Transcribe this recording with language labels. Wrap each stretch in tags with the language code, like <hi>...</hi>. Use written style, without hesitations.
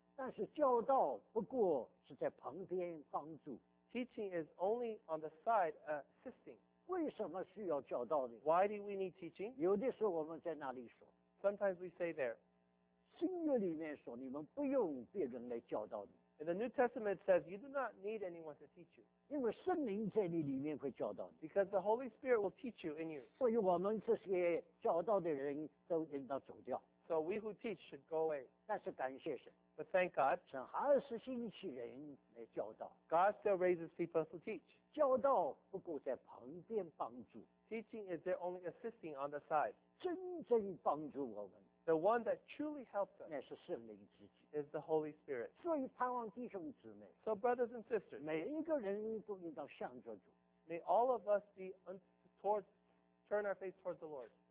<zh>但是教导不过是在旁边帮助,</zh> <en>teaching is only on the side assisting.</en> <zh>为什么需要教导呢?</zh> <en>Why do we need teaching?</en> <zh>有的时候我们在那里说,</zh> <en>sometimes we say there,</en> <zh>新约里面说你们不用别人来教导你,</zh> <en>and the New Testament says you do not need anyone to teach you,</en> <zh>因为圣灵在你里面会教导你,</zh> <en>because the Holy Spirit will teach you in you.</en> <zh>所以我们这些教导的人都应当走掉,</zh> <en>so we who teach should go away.</en> <zh>但是感谢神,</zh> <en>but thank God,</en> <zh>神还是兴起人来教导,</zh> <en>God still raises people to teach.</en> <zh>教导不过在旁边帮助,</zh> <en>teaching is there only assisting on the side.</en> <zh>真正帮助我们,</zh> <en>the one that truly helps us,</en> <zh>乃是圣灵自己,</zh> <en>is the Holy Spirit.</en> <zh>所以盼望弟兄姊妹,</zh> <en>so brothers and sisters,</en> <zh>每一个人都应当向着主,</zh> <en>may all of us be turn our face towards the Lord.</en>